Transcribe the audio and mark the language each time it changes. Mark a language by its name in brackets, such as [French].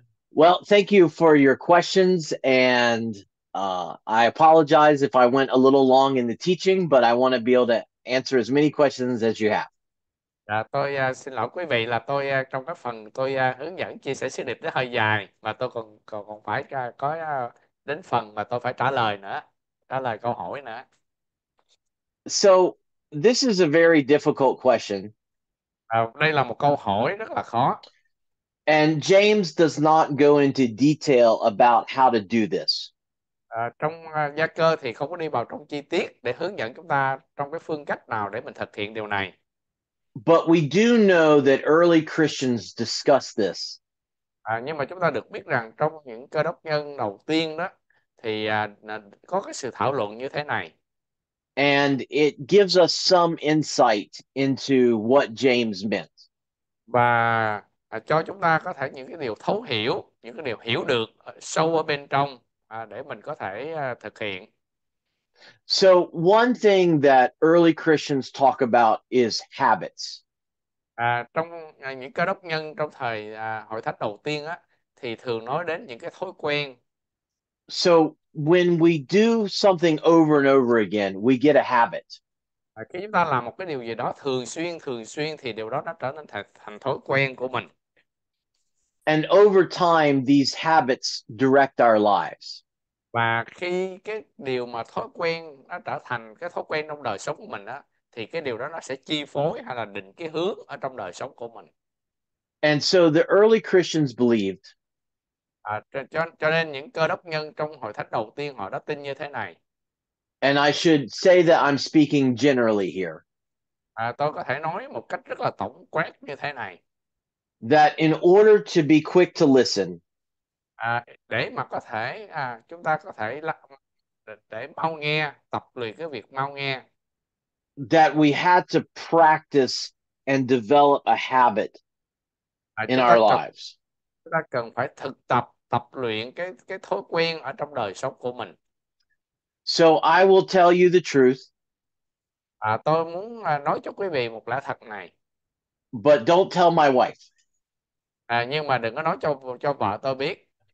[English] Well, thank you for your questions, and I apologize if I went a little long in the teaching, but I want to be able to answer as many questions as you have. [Vietnamese] Tôi xin lỗi quý vị là tôi trong cái phần tôi hướng dẫn chia sẻ sứ điệp nó hơi dài mà tôi còn còn còn phải có đến phần mà tôi phải trả lời câu hỏi nữa. [English] So, this is a very difficult question. [Vietnamese] Đây là một câu hỏi rất là khó. [English] And James does not go into detail about how to do this. [Vietnamese] Trong gia cơ thì không có đi vào trong chi tiết để hướng dẫn chúng ta trong cái phương cách nào để mình thực hiện điều này. [English] But we do know that early Christians discussed this. [Vietnamese] Nhưng mà chúng ta được biết rằng trong những cơ đốc nhân đầu tiên đó thì có cái sự thảo luận như thế này. [English] And it gives us some insight into what James meant. [Vietnamese] Và cho chúng ta có thể những cái điều thấu hiểu, những cái điều hiểu được sâu ở bên trong để mình có thể thực hiện. [English] So one thing that early Christians talk about is habits. [Vietnamese] Trong những cơ đốc nhân trong thời hội thánh đầu tiên á thì thường nói đến những cái thói quen. [English] So when we do something over and over again, we get a habit. [Vietnamese] Khi chúng ta làm một cái điều gì đó thường xuyên thì điều đó nó trở nên thành thói quen của mình. [English] And over time, these habits direct our lives. [Vietnamese] Và khi cái điều mà thói quen nó trở thành cái thói quen trong đời sống của mình á thì cái điều đó nó sẽ chi phối hay là định cái hướng ở trong đời sống của mình. [English] And so the early Christians believed. [Vietnamese] Cho nên những cơ đốc nhân trong hội thánh đầu tiên họ đã tin như thế này. [English] And I should say that I'm speaking generally here. [Vietnamese] Tôi có thể nói một cách rất là tổng quát như thế này. [English] That in order to be quick to listen, [Vietnamese] Để mà có thể chúng ta có thể để mau nghe, tập luyện cái việc mau nghe. [English] that we had to practice and develop a habit in [Vietnamese] Chúng [English] our [Vietnamese] ta cần [English] lives. [Vietnamese] phải thực tập tập luyện cái thói quen ở trong đời sống của mình. [English] So I will tell you the truth. [Vietnamese] Tôi muốn nói cho quý vị một lẽ thật này. [English] But don't tell my wife. [Vietnamese] Nhưng mà đừng có nói cho vợ tôi biết.